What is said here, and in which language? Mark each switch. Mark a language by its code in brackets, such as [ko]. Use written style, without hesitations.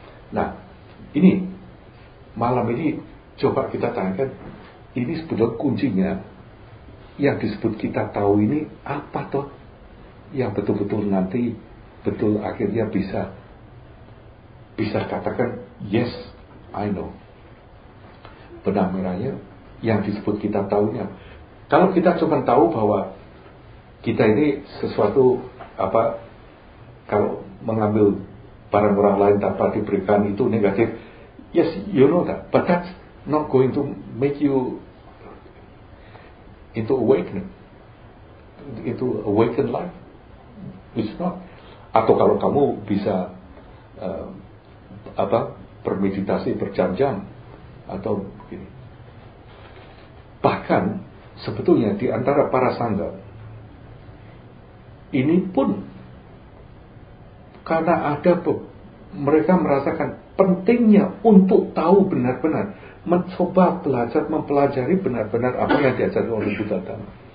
[id] Nah, ini malam ini coba kita tanyakan, ini sebetulnya kuncinya yang disebut kita tahu ini apa toh yang betul-betul nanti betul akhirnya bisa katakan [en] yes I know. [id] Benang merahnya yang disebut kita tahunya, kalau kita cuma tahu bahwa kita ini sesuatu apa, kalau mengambil barang orang lain tanpa diberikan itu negatif. [en] Yes, you know that, but that's not going to make you into awakening. [id] itu [en] awakened life? It's not. [id] Atau kalau kamu bisa apa bermeditasi berjam-jam atau begini. Bahkan sebetulnya di antara para sangga ini pun karena ada mereka merasakan pentingnya untuk tahu benar-benar mencoba belajar mempelajari benar-benar apa yang diajarkan oleh Buddha Dhamma.